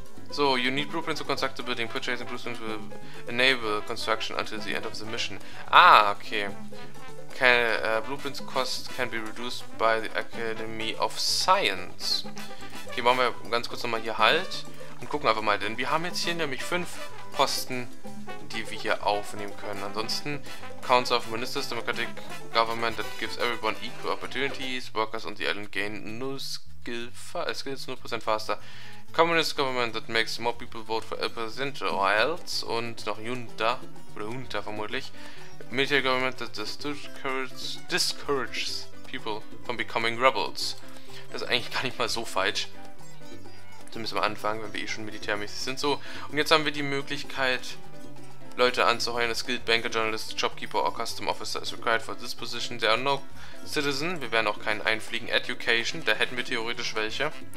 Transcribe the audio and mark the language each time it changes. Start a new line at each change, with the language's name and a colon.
English: So, you need blueprints to construct the building. Purchasing blueprints will enable construction until the end of the mission. Ah, okay. Blueprints cost can be reduced by the Academy of Science.
German: Okay, machen wir ganz kurz nochmal hier Halt und gucken einfach mal, denn wir haben jetzt hier nämlich 5 Posten, die wir hier aufnehmen können.
English: Ansonsten, Council of Ministers, Democratic Government that gives everyone equal opportunities, workers on the island gain 0 skill, skills 0% faster. Communist government that makes more people vote for El Presidente or else
German: und noch Junta oder Junta vermutlich.
English: Military government that discourages people from becoming rebels.
German: Das ist eigentlich gar nicht mal so falsch. Zumindest am Anfang, wenn wir eh schon militärmäßig sind. So, und jetzt haben wir die Möglichkeit, Leute anzuheuern.
English: A skilled banker, journalist, shopkeeper or custom officer is required for this position. There are no citizens.
German: Wir werden auch keinen einfliegen. Education, da hätten wir theoretisch welche.